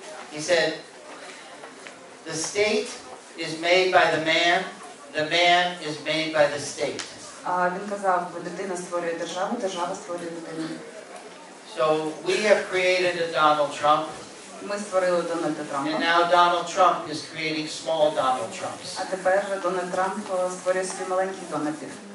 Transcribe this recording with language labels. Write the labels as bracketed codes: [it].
[en] He said, the state is made by the man is made by the state. [uk] Він казав, людина створює державу, держава створює людину. [en] So we have created a Donald Trump. [uk] Ми створили Дональда Трампа. [en] And now Donald Trump is creating small Donald Trumps. [uk] А тепер Дональд Трамп створює собі маленьких Дональдів.